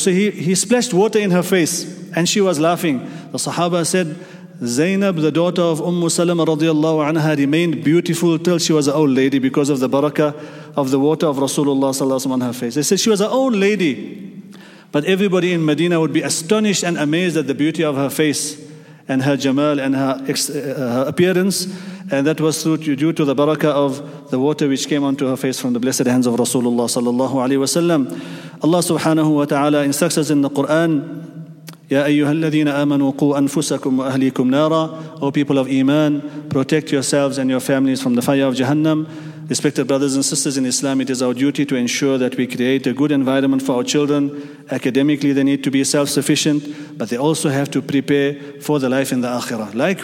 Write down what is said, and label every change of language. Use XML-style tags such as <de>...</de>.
<en>So he splashed water in her face and she was laughing. The sahaba said, Zainab, the daughter of Ummu Salama radiallahu anha, remained beautiful till she was an old lady because of the barakah of the water of Rasulullah sallallahu alayhi wasallam on her face. They said she was an old lady, but everybody in Medina would be astonished and amazed at the beauty of her face and her jamal and her appearance. And that was due to the barakah of the water which came onto her face from the blessed hands of Rasulullah sallallahu alayhi wasallam. Allah subhanahu wa ta'ala instructs us in the Quran</en> <ar>يا أيها الذين آمنوا قوا أنفسكم وأهليكم نارا.</ar> <en>O people of Iman, protect yourselves and your families from the fire of Jahannam. Respected brothers and sisters in Islam, it is our duty to ensure that we create a good environment for our children. Academically, they need to be self-sufficient, but they also have to prepare for the life in the Akhirah.</en>